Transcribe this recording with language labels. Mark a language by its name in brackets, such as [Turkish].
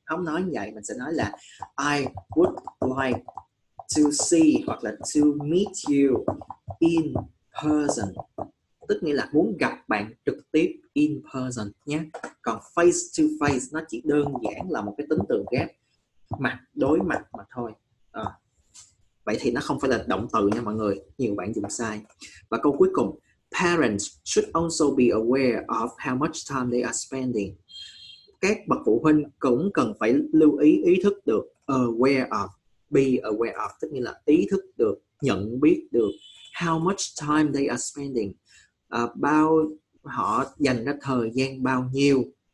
[Vietnamese] Không nói như vậy, mình sẽ nói là [English] I would like to see [Vietnamese] hoặc là [English] to meet you in person. [Vietnamese] Tức nghĩa là muốn gặp bạn trực tiếp, [English] in person [Vietnamese] nhé. Còn face to face nó chỉ đơn giản là một cái tính từ ghép, mặt đối mặt mà thôi. Vậy thì nó không phải là động từ nha mọi người, nhiều bạn dùng sai. Và câu cuối cùng, [English] parents should also be aware of how much time they are spending. [Vietnamese] các bậc phụ huynh cũng cần phải lưu ý ý thức được [English] aware of, be aware of, [Vietnamese] tức nghĩa là ý thức được, nhận biết được [English] how much time they are spending, [Vietnamese] bao họ dành ra thời gian bao nhiêu